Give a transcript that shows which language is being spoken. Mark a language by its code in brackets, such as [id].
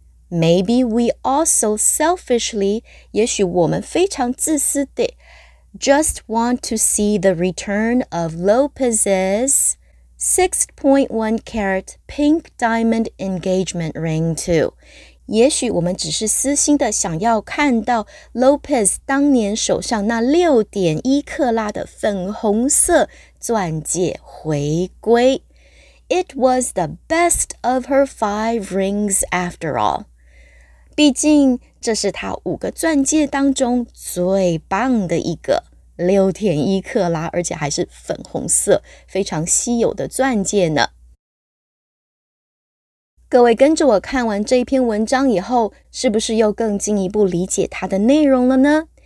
[en] Maybe we also selfishly, [zh] 也许我们非常自私的 [en] just want to see the return of Lopez's 6.1 carat pink diamond engagement ring too. [zh] 也许我们只是私心的想要看到 Lopez 当年手上那 6.1 克拉的粉红色钻戒回归。 [en] It was the best of her 5 rings after all. [zh] 毕竟这是她五个钻戒当中最棒的一个 6.1 克拉，而且还是粉红色，非常稀有的钻戒呢。各位跟着我看完这篇文章以后，是不是又更进一步理解它的内容了呢？